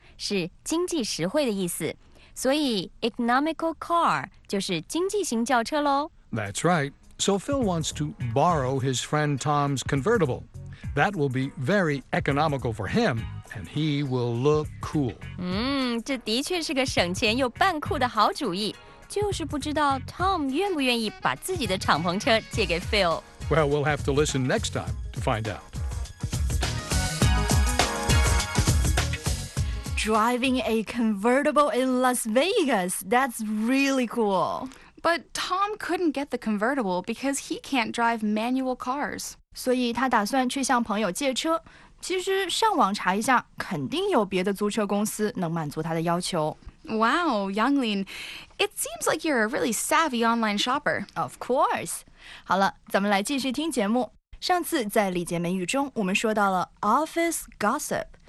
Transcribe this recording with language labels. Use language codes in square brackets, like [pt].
[zh] 是经济实惠的意思。所以 economical car 就是经济型轿车咯。 [en] That's right. So Phil wants to borrow his friend Tom's convertible. That will be very economical for him, and he will look cool. [zh] 这的确是个省钱又扮酷的好主意。就是不知道 Tom 愿不愿意把自己的敞篷车借给 Phil。 [en] Well, we'll have to listen next time to find out. Driving a convertible in Las Vegas, that's really cool. But Tom couldn't get the convertible because he can't drive manual cars. [zh] 所以他打算去向朋友借车。其实上网查一下，肯定有别的租车公司能满足他的要求。 [en] Wow, Yanglin, it seems like you're a really savvy online shopper. Of course. [zh] 好了，咱们来继续听节目。上次在礼节美语中，我们说到了 office gossip。